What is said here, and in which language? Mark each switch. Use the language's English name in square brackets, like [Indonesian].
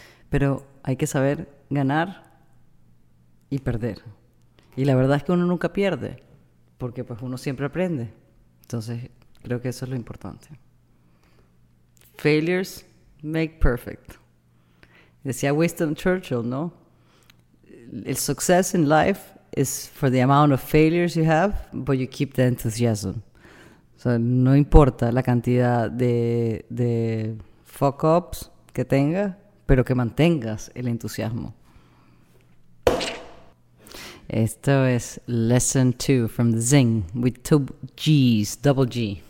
[Spanish] Pero hay que saber ganar y perder. Y la verdad es que uno nunca pierde. Porque pues uno siempre aprende. Entonces, creo que eso es lo importante. [English] Failures make perfect. [Spanish] Decía Winston Churchill, ¿no? [English] El success in life is for the amount of failures you have, but you keep the enthusiasm. [Spanish] So, no importa la cantidad de fuck-ups que tenga, pero que mantengas el entusiasmo. Esto es [English] Lesson 2 from the Zing with 2 G's, double G.